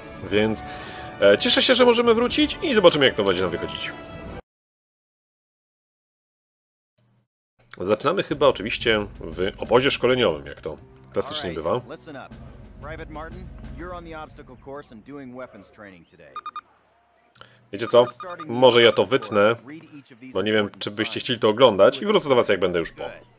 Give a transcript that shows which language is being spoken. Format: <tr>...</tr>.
<pl>Więc cieszę się, że możemy wrócić i zobaczymy, jak to będzie nam wychodzić. Zaczynamy chyba oczywiście w obozie szkoleniowym, jak to klasycznie bywa.</pl> <en>Private Martin, you're on the obstacle course and doing weapons training today.</en> <pl>Wiecie co? Może ja to wytnę, bo nie wiem, czy byście chcieli to oglądać i wrócę do was, jak będę już po.</pl>